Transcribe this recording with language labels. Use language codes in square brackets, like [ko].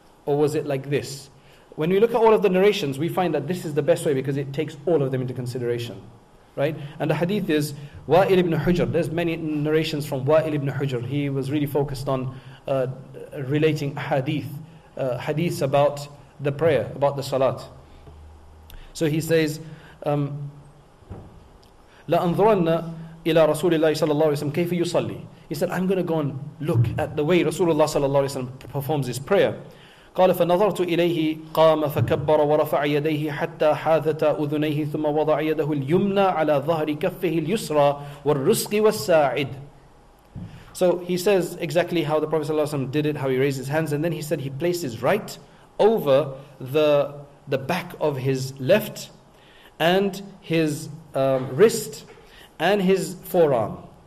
[en] Or was it like this? When we look at all of the narrations, we find that this is the best way because it takes all of them into consideration. Right? And the hadith is, Wa'il ibn Hujr. There's many narrations from Wa'il ibn Hujr. He was really focused on relating hadith about the prayer, about the salat. So he says, [ar] لَأَنظُرَنَّ إِلَىٰ رَسُولِ اللَّهِ صَلَى اللَّهُ عَلَيْهِ وَسَلَّمْ كَيْفَ يُصَلِّي. [en] He said, I'm going to go and look at the way Rasulullah صلى الله عليه وسلم performs his prayer. [ar] قال فنظرت إليه قام فكبر ورفع يديه حتى حاذت أذنيه ثم وضع يده اليمنى على ظهر كفه اليسرى والرزق والساعد. [en] So he says exactly how the Prophet ﷺ did it, how he raised his hands, and then he said he placed his right over the back of his left and his wrist and his forearm.